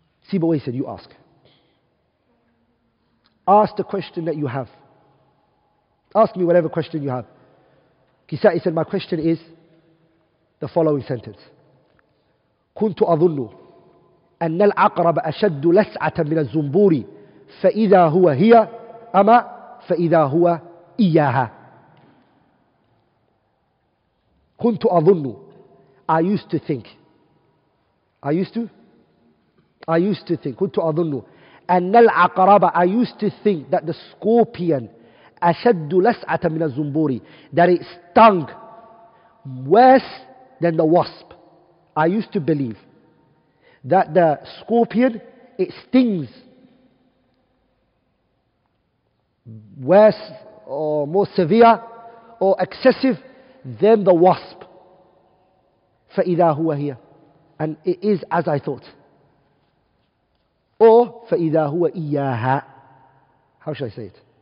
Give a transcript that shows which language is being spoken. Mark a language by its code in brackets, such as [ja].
[en] Sibawayhi said, you ask. Ask the question that you have. Ask me whatever question you have. Kisa'i said, my question is the following sentence. [ar] Kuntu adhunnu أن العقرب أشد لسعة من الزنبور فإذا هو هي أما فإذا هو إياها كنت أظن [en] I used to think [ar] كنت أظن أن العقرب [en] I used to think that the scorpion [ar] أشد لسعة من الزنبور [en] that it stung worse than the wasp. I used to believe that the scorpion, it stings worse or more severe or excessive than the wasp. [ar] فَإِذَا هُوَ هِيَ [en] And it is as I thought. Or [ar] فَإِذَا هُوَ إِيَّاهَا [en] How shall I say it?